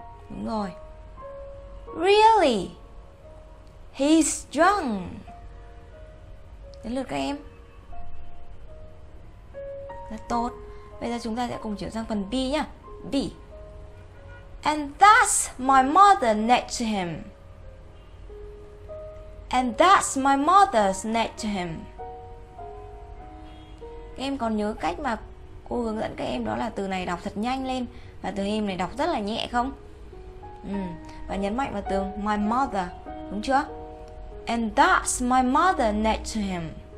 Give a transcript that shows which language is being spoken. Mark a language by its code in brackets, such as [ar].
[vi] Đúng rồi. [en] Really? He's drunk. [vi] Đến lượt các em. Rất tốt. Bây giờ chúng ta sẽ cùng chuyển sang phần B nhá. B. [en] And that's my mother next to him. And that's my mother's next to him. [vi] Các em còn nhớ cách mà cô hướng dẫn các em, đó là từ này đọc thật nhanh lên và từ him này đọc rất là nhẹ không? Và nhấn mạnh vào từ my mother, đúng chưa? [en] And that's my mother next to him.